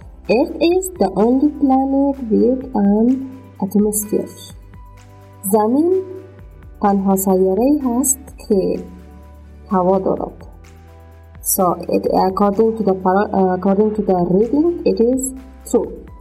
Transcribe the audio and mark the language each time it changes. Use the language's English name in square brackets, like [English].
[English] Earth is the only planet with an atmosphere. [Persian] زمین تنها سیاره هست که هوا دارد. [English] So it, according to the reading, it is true.